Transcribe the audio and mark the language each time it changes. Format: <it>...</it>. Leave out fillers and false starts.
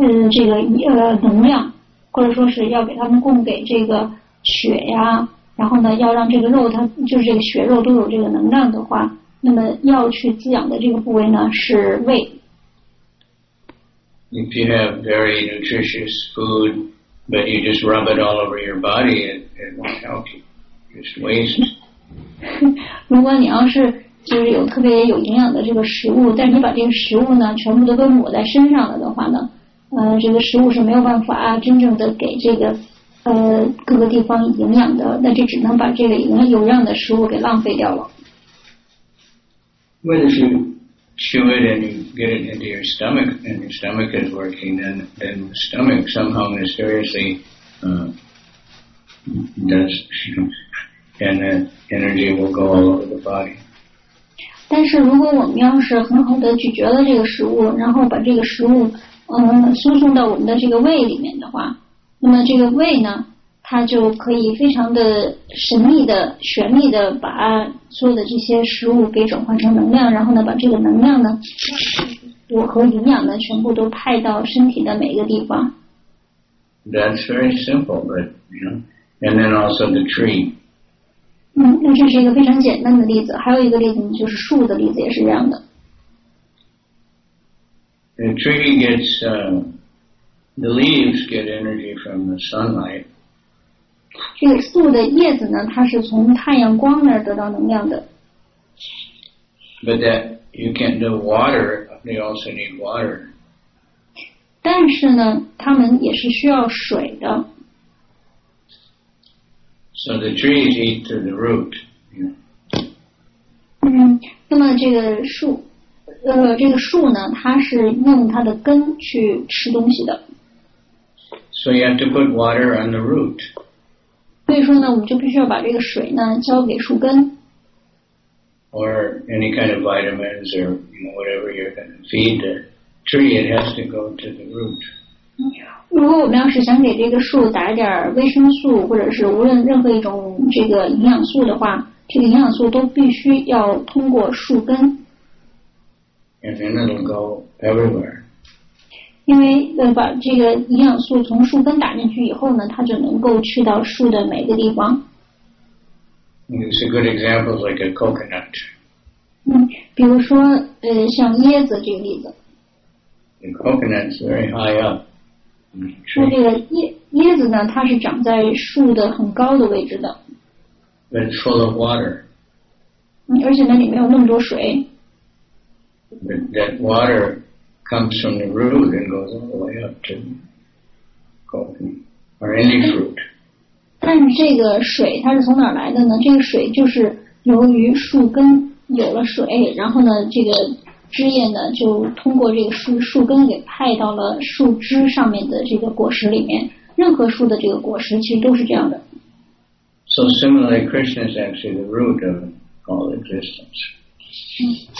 <zh>这个能量，或者说是要给他们供给这个血呀，然后呢要让这个肉它就是这个血肉都有这个能量的话，那么要去滋养的这个部位呢是胃。</zh> <en>If you have very nutritious food, but you just rub it all over your body, it won't help you. Just waste.</en> <zh>如果你要是就是有特别有营养的这个食物，但你把这个食物呢全部都抹在身上了的话呢，这个食物是没有办法真正的给这个各个地方营养的，那就只能把这个有营的食物给浪费掉了。</zh> <en>When you chew it and you get it into your stomach and your stomach is working, then the stomach somehow mysteriously does and the energy will go all over the body.</en> <zh>但是如果我们要是很好的咀嚼了这个食物，然后把这个食物输送到我们的这个胃里面的话，那么这个胃呢它就可以非常的神秘的玄秘的把所有的这些食物给转换成能量，然后呢把这个能量呢我和营养呢全部都派到身体的每一个地方。</zh> <en>That's very simple, but you know, and then also the tree.</en> <zh>那这是一个非常简单的例子，还有一个例子就是树的例子也是这样的。</zh> <en>The tree gets, the leaves get energy from the sunlight.</en> <zh>这个树的叶子呢，它是从太阳光那儿得到能量的。</zh> <en>But that you can't do water, they also need water.</en> <zh>但是呢，它们也是需要水的。</zh> <en>So the trees eat through the root. Yeah.</en> <zh>那么这个树呢，它是用它的根去吃东西的。</zh> <en>So you have to put water on the root.</en> <zh>所以说呢，我们就必须要把这个水呢浇给树根。</zh> <en>Or any kind of vitamins or you know, whatever you're going to feed the tree, it has to go to the root.</en> <zh>如果我们要是想给这个树打一点维生素，或者是无论任何一种这个营养素的话，这个营养素都必须要通过树根。</zh> <en>And then it'll go everywhere.</en> <zh>因为把这个营养素从树根打进去以后呢，它就能够去到树的每个地方。</zh> <en>It's a good example like a coconut.</en> <zh>比如说像椰子这个例子。</zh> <en>The coconut's very high up.</en> <zh>说这个椰子呢，它是长在树的很高的位置的。</zh> <en>But it's full of water.</en> <zh>而且呢，里面有那么多水。</zh> <en>But that water comes from the root and goes all the way up to coffee or any fruit.</en> <zh>但是这个水它是从哪来的呢？这个水就是由于树根有了水，然后呢，这个。枝叶呢就通过这个树根给派到了树枝上面的这个果实里面，任何树的这个果实其实都是这样的。</zh> <en>So similarly Krishna is actually the root of all existence.</en>